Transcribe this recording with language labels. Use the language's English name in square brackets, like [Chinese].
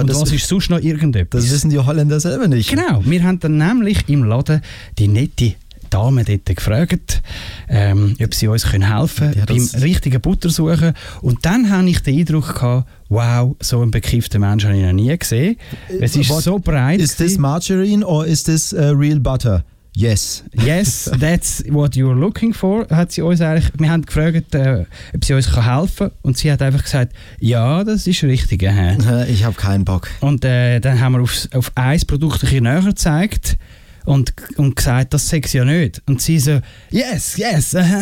[German] und was ist sonst noch irgendetwas. Das wissen die Holländer selber nicht. Genau, wir haben dann nämlich im Laden die nette Dame dort gefragt, ob sie uns können helfen können, beim richtigen Butter suchen. Und dann habe ich den Eindruck gehabt, wow, so einen bekifften Mensch habe ich noch nie gesehen. Es ist so breit. [English] Is this margarine or is this real butter? Yes. Yes, that's what you're looking for, [German] hat sie uns eigentlich. Wir haben gefragt, ob sie uns helfen kann. Und sie hat einfach gesagt, ja, das ist richtig. Ich habe keinen Bock. Und dann haben wir auf ein Produkt ein bisschen näher gezeigt. Und gesagt, das sehe ich ja nicht. Und sie so, [English] yes, yes.